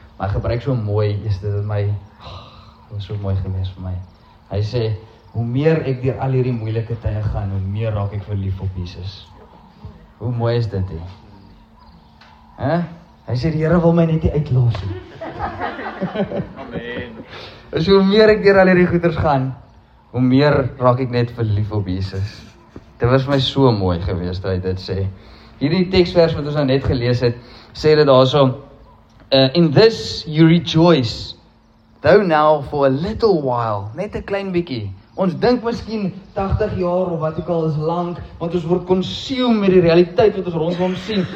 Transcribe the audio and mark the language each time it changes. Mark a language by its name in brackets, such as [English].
[Afrikaans] Maar hy gebruik so mooi, is dit wat my, was so mooi gewees vir my. Hy sê, hoe meer ek deur al hierdie moeilike tye gaan, hoe meer raak ek verlief op Jesus. Hoe mooi is dit, hè? Hy sê, die Here wil my net nie uitlos nie. Amen. Hoe meer ek deur al hierdie goeters gaan, hoe meer raak ek net verlief op Jesus. Dit was vir my so mooi geweest dat hy dit sê. Hierdie teksvers wat ons nou net gelees het, sê dit daarso: [English] In this you rejoice, though now for a little while, [Afrikaans] net 'n klein bietjie. Ons dink miskien 80 jaar of wat ook al is lank, want ons word consumed met die realiteit wat ons rondom sien.